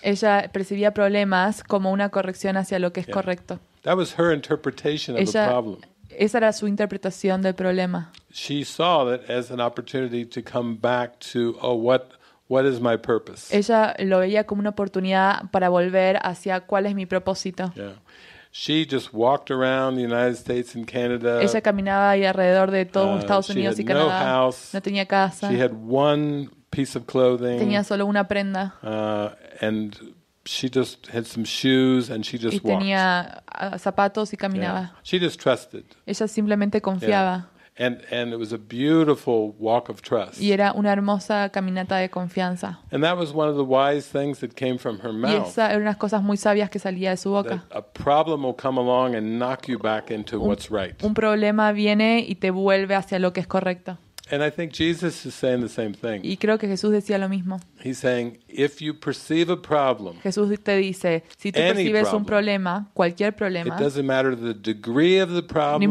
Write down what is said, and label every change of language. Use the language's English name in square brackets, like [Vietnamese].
[Spanish] Ella percibía problemas como una corrección hacia lo que es correcto. [English] That was her interpretation of [Spanish] ella, [English] a problem. [Spanish] Esa era su interpretación del problema. [English] She saw it as an opportunity to come back to, oh, what is my purpose? [Spanish] Ella lo veía como una oportunidad para volver hacia cuál es mi propósito. [English] Yeah. She just walked around the United States and Canada. [Spanish] Ella caminaba ahí alrededor de todo Estados Unidos y Canadá. [English] She had no house. [Spanish] No tenía casa. [English] She had one piece of clothing. [Spanish] Tenía solo una prenda. [English] And she just had some shoes and she just walked. [Spanish] Y tenía [English] walked. [Spanish] Zapatos y caminaba. [English] Yeah. She just trusted. [Spanish] Ella simplemente confiaba. [English] Yeah. And it was a beautiful walk of trust. [Spanish] Y era una hermosa caminata de confianza. [English] And that was one of the wise things that came from her mouth. [Spanish] Y esa era unas cosas muy sabias que salía de su boca. [English] A problem will come along and knock you back into what's right. [Spanish] Un problema viene y te vuelve hacia lo que es correcto. [English] And I think Jesus is saying the same thing. [Spanish] Y creo que Jesús decía lo mismo. [English] He's saying, if you perceive a problem, [Spanish] Jesús te dice, si tú percibes un problema, cualquier problema, [English] it doesn't matter the degree of the problem,